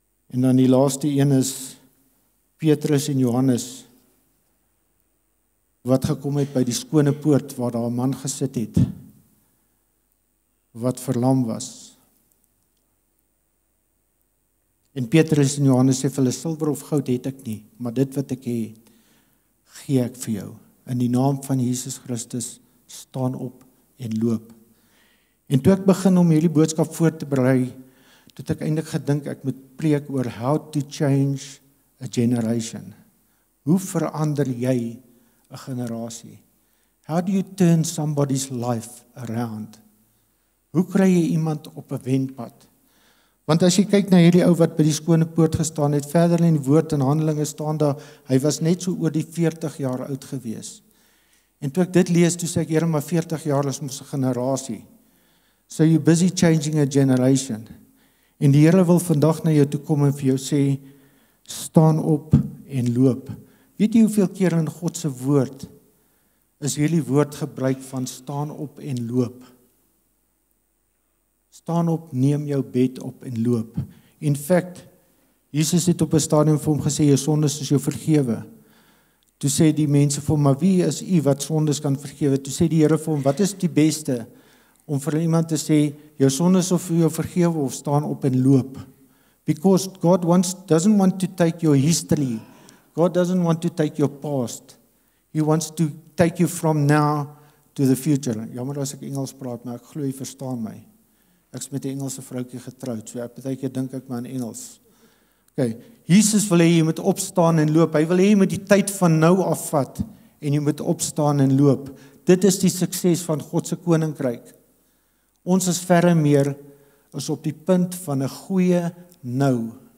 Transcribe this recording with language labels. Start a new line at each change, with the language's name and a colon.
Afrikaans: En dan die laaste een is Petrus en Johannes, wat gekom het by die skone poort waar daar 'n man gesit het, wat verlam was. En Petrus en Johannes sê vir hulle, silwer of goud het ek nie, maar dit wat ek het, gee ek vir jou. In die naam van Jesus Christus, staan op en loop. En toe ek begin om hierdie boodskap voor te berei, toe het ek eindelijk gedink, ek moet preek oor
English: how to change a generation.
Afrikaans: Hoe verander jy a generasie?
English: How do you turn somebody's life around?
Afrikaans: Hoe kry jy iemand op 'n wendpad? Want as jy kyk na hierdie ou wat by die skone poort gestaan het, verder in die woord en handelinge staan daar, hy was net so oor die 40 jaar oud gewees. En toe ek dit lees, toe sê ek, Here, maar 40 jaar is ons generasie.
English: So you busy changing a generation.
Afrikaans: En die Here wil vandag na jou toe kom en vir jou sê, staan op en loop. Weet jy hoeveel keer in God se woord is hierdie woord gebruik van staan op en loop? Staan op, neem jou bed op en loop.
English: In fact,
Afrikaans: Jesus het op 'n stadium vir hom gesê, jou sondes is jou vergewe. Toe sê die mense vir hom, maar wie is u wat sondes kan vergewe? Toe sê die Here vir hom, wat is die beste om vir iemand te sê, jou sondes of jou vergewe of staan op en loop?
English: Because God doesn't want to take your history. God doesn't want to take your past. He wants to take you from now to the future.
Afrikaans: Jammer as ek Engels praat, maar ek glo jy verstaan my. Ek is met die Engelse vroukie getroud, so ek baie keer dink ek maar in Engels. Ok, Jesus wil hê jy moet opstaan en loop, hy wil hê jy moet die tyd van nou afvat, en jy moet opstaan en loop. Dit is die sukses van Godse Koninkryk. Ons is verre meer, is op die punt van 'n goeie nou.